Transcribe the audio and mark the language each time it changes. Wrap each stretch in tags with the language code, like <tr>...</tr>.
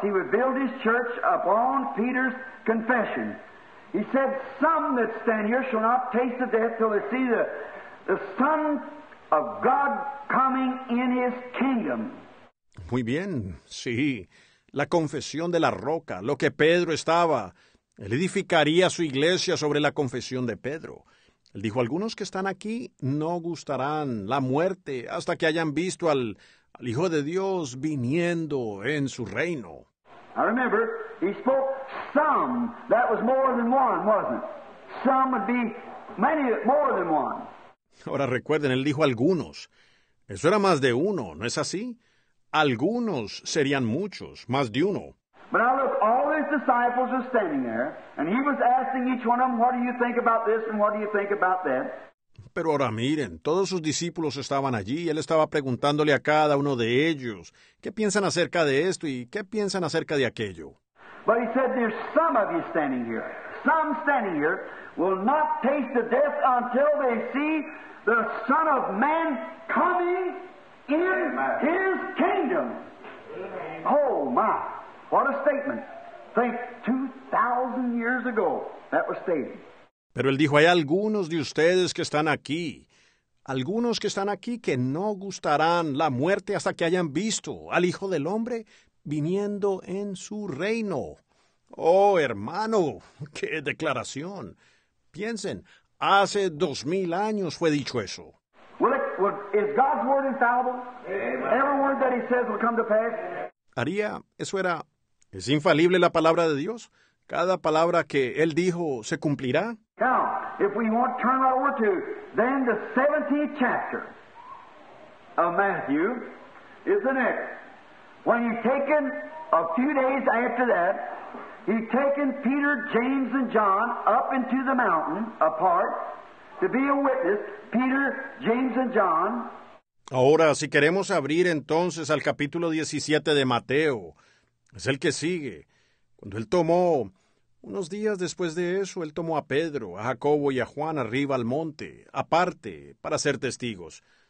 <en>He would build his church upon Peter's confession. He said, some that stand here shall not taste of death till they see the Son of God coming in his kingdom.</en> <es>Muy bien, sí. La confesión de la roca, lo que Pedro estaba... Él edificaría su iglesia sobre la confesión de Pedro. Él dijo, algunos que están aquí no gustarán la muerte hasta que hayan visto al Hijo de Dios viniendo en su reino.</es> <en>I remember, he spoke some. That was more than one, wasn't it? Some would be many, more than one.</en> <es>Ahora recuerden, él dijo algunos. Eso era más de uno, ¿no es así? Algunos serían muchos, más de uno.</es> <en>But now look, all his disciples are standing there, and he was asking each one of them, what do you think about this and what do you think about that?</en> <es>Pero ahora miren, todos sus discípulos estaban allí, y él estaba preguntándole a cada uno de ellos, ¿qué piensan acerca de esto y qué piensan acerca de aquello?</es> <en>But he said, there's some of you standing here. Some standing here will not taste the death until they see the Son of Man coming in his kingdom. Amen. Oh, my. What a statement. Think 2,000 years ago that was stated.</en> <es>Pero él dijo, hay algunos de ustedes que están aquí. Algunos que están aquí que no gustarán la muerte hasta que hayan visto al Hijo del Hombre viniendo en su reino. ¡Oh, hermano! ¡Qué declaración! Piensen, hace 2,000 años fue dicho eso.</es> <en>Is God's word infallible? Every word that he says will come to pass?</en> <es>¿Haría eso era, es infalible la palabra de Dios? ¿Cada palabra que él dijo se cumplirá?</es> <en>Now, if we want to turn over to then the 17th chapter of Matthew is the next. When he's taken a few days after that, he's taken Peter, James, and John up into the mountain apart to be a witness, Peter, James, and John.</en> <es>Ahora, si queremos abrir entonces al capítulo 17 de Mateo, es el que sigue. Cuando él tomó, unos días después de eso, él tomó a Pedro, a Jacobo y a Juan arriba al monte, aparte, para ser testigos.</es>